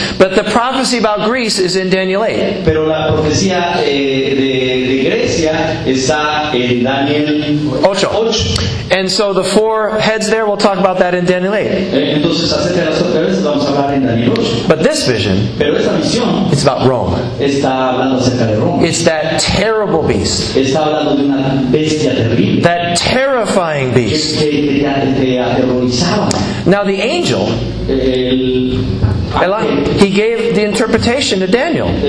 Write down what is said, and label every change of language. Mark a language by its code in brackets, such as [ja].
[en] But the prophecy about Greece is in Daniel 8. [es] Pero la profecía de Grecia está en Daniel 8. [en] And so the four heads there, we'll talk about that in Daniel 8. [es] Entonces, acerca de las cuatro cabezas, vamos a hablar en Daniel 8. [en] But this vision, [es] pero esta visión, [en] it's about Rome. [es] Está hablando acerca de Roma. [en] It's that terrible beast. [es] Está hablando de una bestia terrible. [en] That terrifying beast. [es] Que aterrorizaba. [en] Now the angel, he gave the interpretation to Daniel.